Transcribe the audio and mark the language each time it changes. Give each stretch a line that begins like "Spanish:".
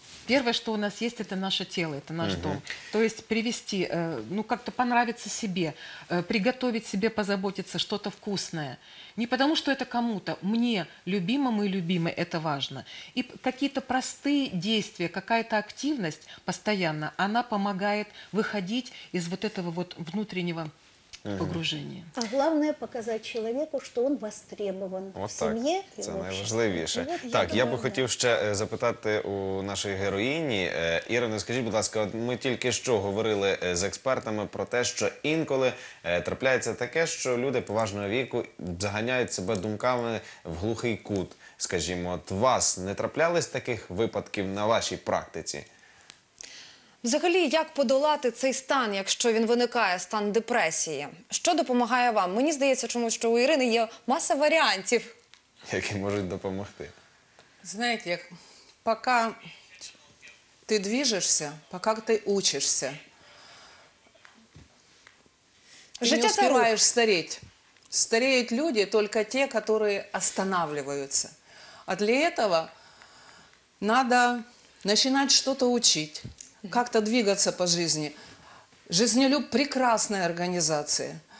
Russian: Первое, что у нас есть, это наше тело, это наш дом. То есть привести, ну, как-то понравиться себе, приготовить себе, позаботиться, что-то вкусное. Не потому, что это кому-то, мне, любимому и любимой, это важно. И какие-то простые действия, какая-то активность постоянно, она помогает выходить из вот этого вот внутреннего погружение.
Ukrainian: А главное показати чоловіку, що він востребований в сім'ї. Це найважливіше. Вот, так, я би хотів ще запитати у нашої героїні. Ірино, скажіть, будь ласка, ми тільки що говорили з експертами про те, що інколи трапляється таке, що люди поважного віку заганяють себе думками в глухий кут. Скажімо, от вас не траплялись таких випадків на вашій практиці? Взагалі, як подолати цей стан, якщо він виникає, стан депресії? Що допомагає вам? Мені здається, чомусь, що у Ірини є маса варіантів, які можуть допомогти. Знаєте, як, поки ти движешся, поки ти учишся, життя ти не успіваєш старіти. Старіють люди тільки ті, які останавливаються. А для цього треба починати щось учити.
Russian: Как-то двигаться по жизни. Жизнелюб – прекрасная организация.